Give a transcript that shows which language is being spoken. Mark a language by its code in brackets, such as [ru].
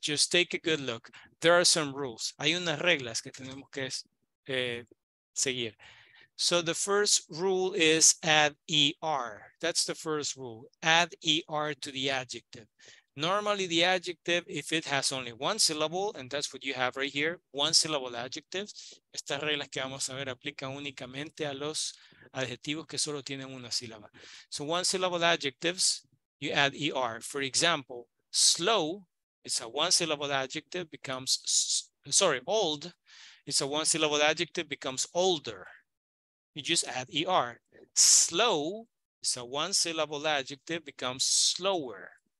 [en] Just take a good look. There are some rules. [es] Hay unas reglas que tenemos que seguir. [en] So the first rule is add ER. That's the first rule. Add ER to the adjective. Normally the adjective, if it has only one syllable, and that's what you have right here, one syllable adjective. [es] Estas reglas que vamos a ver aplican únicamente a los adjetivos que solo tienen una sílaba. [en] So one syllable adjectives, you add ER. For example, slow, it's a one syllable adjective, becomes, old, it's a one syllable adjective, becomes older. You just add ER. Slow, it's a one syllable adjective, becomes slower.